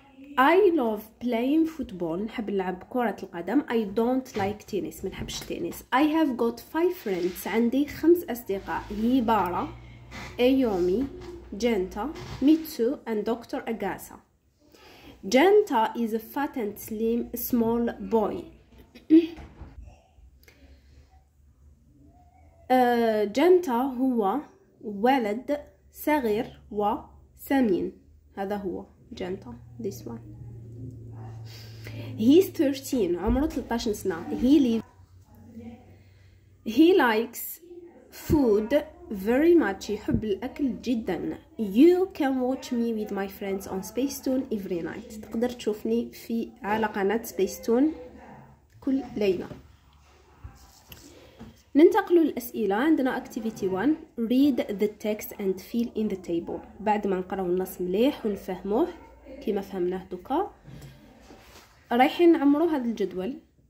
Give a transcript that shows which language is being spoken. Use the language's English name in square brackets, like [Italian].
[English] I love playing football. [Arabic] نحب نلعب كرة القدم. [English] I don't like tennis. [Arabic] ما نحبش التنس. [English] I have got 5 friends. [Arabic] عندي 5 أصدقاء. هيبارا، أيومي، جنتا، ميتسو and دكتور أغاسا. [English] Janta is a fat and slim small boy. [Arabic] Janta هو ولد صغير وسمين. هذا هو [English] Janta. This one. He's 13. [Arabic] عمره 13 سنة. [English] He likes food very much. [Arabic] يحب الأكل جدا. [English] You can watch me with my friends on Spacetoon every night. [Arabic] تقدر تشوفني في على قناة Spacetoon كل ليلة. ننتقل للأسئلة. عندنا [English] activity 1. Read the text and fill in the table. [Arabic] بعد ما نقرأ النص مليح ونفهمه كما فهمناه دوكا، رايحين نعمرو هذا الجدول.